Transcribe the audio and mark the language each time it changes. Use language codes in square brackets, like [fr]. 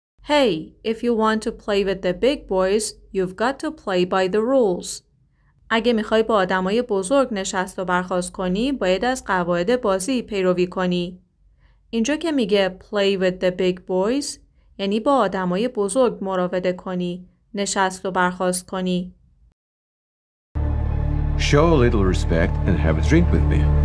[en] Hey, if you want to play with the big boys, you've got to play by the rules. [fa] اگه میخوای با آدمای بزرگ نشست و برخاست کنی، باید از قواعد بازی پیروی کنی. اینجا که میگه [en] play with the big boys، [fa] یعنی با آدمای بزرگ مراوده کنی، نشست و برخاست کنی. [en] Show a little respect and have a drink with me.